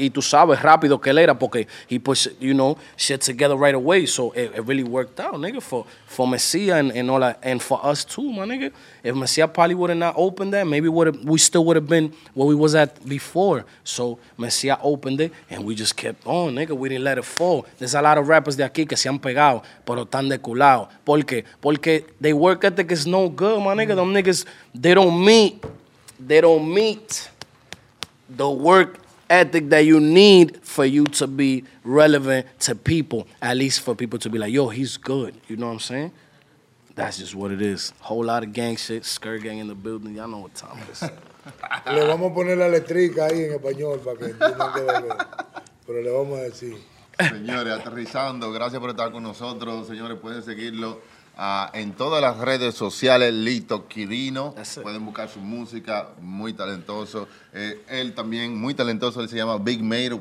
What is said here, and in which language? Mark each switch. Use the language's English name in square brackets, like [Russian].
[Spanish] Y tú sabes, rápido que él era, porque [English] he put, you know, shit together right away. So it really worked out, nigga, for Mesías and all that. And for us too, my nigga. If Mesías probably would have not opened that, maybe we still would have been where we was at before. So Mesías opened it, and we just kept on, nigga. We didn't let it fall. There's a lot of rappers [Spanish] de aquí que se han pegado, pero están de culado. ¿Por qué? [English] Porque they work ethic is no good, my nigga. Them niggas, they don't meet. The work ethic that you need for you to be relevant to people, at least for people to be like, yo, he's good. You know what I'm saying? That's just what it is. Whole lot of gang shit, skirt gang in the building. Y'all know what time it is. [Spanish] Le vamos a poner la letrica ahí en español para que entiendan qué vale. Pero le vamos a decir. Señores, aterrizando. Gracias por estar con nosotros. Señores, pueden seguirlo en todas las redes sociales, Lito Quirino. Pueden buscar su música, muy talentoso. Él también, muy talentoso, él se llama Big Mero.